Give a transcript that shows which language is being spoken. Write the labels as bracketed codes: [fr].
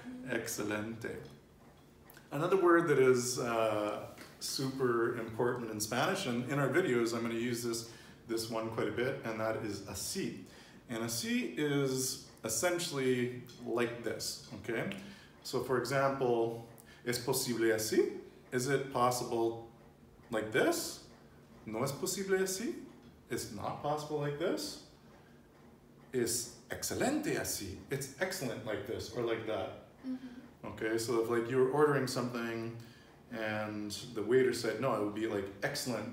[en] Excelente. Another word that is... super important in Spanish, and in our videos I'm going to use this one quite a bit, and that is así. And así is essentially like this, okay? So for example, [es] ¿es posible así? [en] Is it possible like this? [es] ¿No es posible así? [en] It's not possible like this. [es] ¿Es excelente así? [en] It's excellent like this or like that. Mm-hmm. Okay, so if like you're ordering something and the waiter said, no, it would be like excellent.